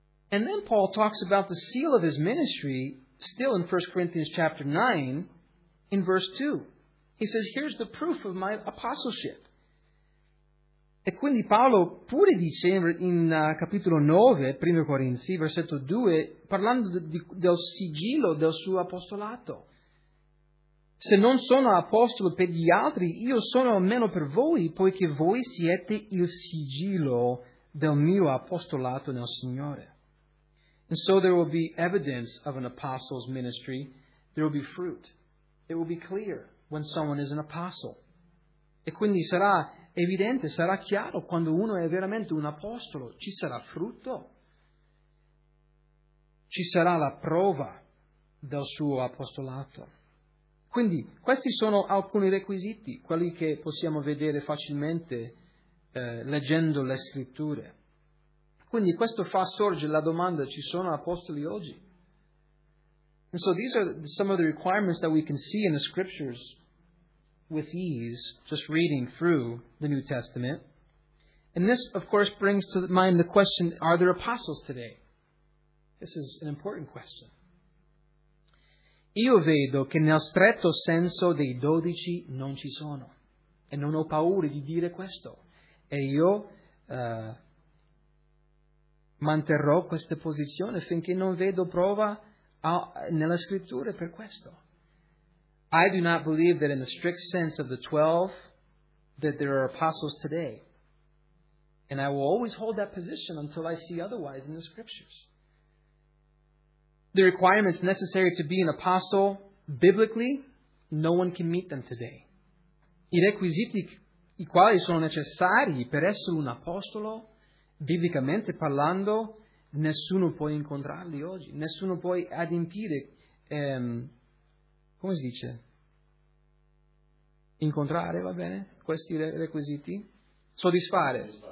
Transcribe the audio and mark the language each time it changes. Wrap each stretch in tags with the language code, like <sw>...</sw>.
<en>And then Paul talks about the seal of his ministry, still in 1 Corinthians chapter 9, in verse 2. He says, here's the proof of my apostleship.</en> <it>E quindi Paolo pure dice in capitolo 9, 1 Corinzi, versetto 2, parlando del sigillo del suo apostolato. Se non sono apostolo per gli altri, io sono almeno per voi, poiché voi siete il sigillo del mio apostolato nel Signore.</it> <en>And so there will be evidence of an apostle's ministry. There will be fruit. It will be clear when someone is an apostle.</en> <it>E quindi sarà evidente, sarà chiaro quando uno è veramente un apostolo. Ci sarà frutto. Ci sarà la prova del suo apostolato. Quindi, questi sono alcuni requisiti, quelli che possiamo vedere facilmente leggendo le scritture. Quindi questo fa sorgere la domanda, ci sono apostoli oggi?</it> <en>And so these are some of the requirements that we can see in the scriptures with ease, just reading through the New Testament. And this, of course, brings to mind the question, are there apostles today? This is an important question.</en> <it>Io vedo che nel stretto senso dei dodici non ci sono. E non ho paura di dire questo. E io manterrò questa posizione finché non vedo prova nella scrittura per questo.</it> <en>I do not believe that in the strict sense of the 12 that there are apostles today. And I will always hold that position until I see otherwise in the scriptures. The requirements necessary to be an apostle, biblically, no one can meet them today.</en> <it>I requisiti i quali sono necessari per essere un apostolo, biblicamente parlando, nessuno può incontrarli oggi. Nessuno può adempiere, come si dice? Incontrare, va bene, questi requisiti? Soddisfare.</it>